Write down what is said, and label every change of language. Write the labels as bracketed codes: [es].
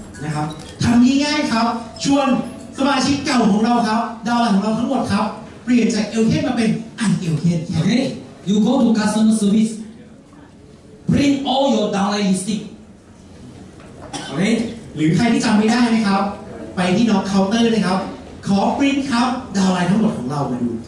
[th] นะครับทำง่ายๆครับชวนสมาชิกเก่าของเราครับดาวไลน์ของเราทั้งหมดครับเปลี่ยนจากElkhornมาเป็นElkhorn [en] okay you go to customer service print all your downline listing okay [th] หรือใครที่จำไม่ได้นะครับไปที่น็อกเคาน์เตอร์นะครับขอปริ้นท์ครับดาวไลน์ทั้งหมดของเรามาดู